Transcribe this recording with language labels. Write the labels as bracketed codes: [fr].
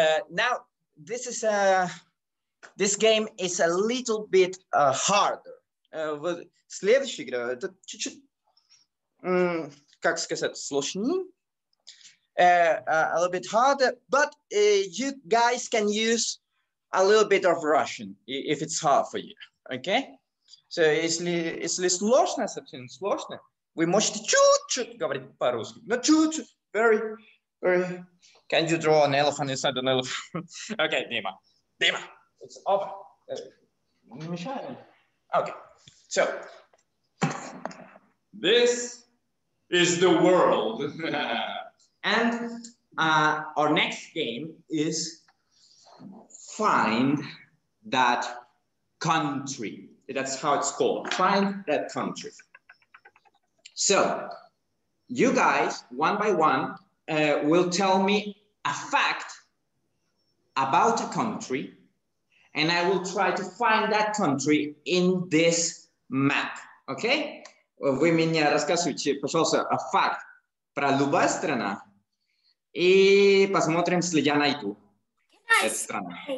[en] Now, this game is a little bit harder. [ru] Следующая игра, это чуть-чуть, как сказать, сложнее. [en] A little bit harder, but you guys can use a little bit of Russian if it's hard for you, okay? [ru] So, если сложно, совсем сложно, вы можете чуть-чуть говорить по-русски. Но чуть-чуть, very, very. [en] Can you draw an elephant inside an elephant? Okay, Dima. Dima. It's over. [ru] Не мешаем. [en] Okay. So, this is the world. And our next game is find that country. That's how it's called. Find that country. So, you guys, one by one, will tell me a fact about a country, and I will try to find that country in this map, okay? [ru] Вы мне расскажите, пожалуйста, a fact про любая страна, и посмотрим, если я найду эту страну.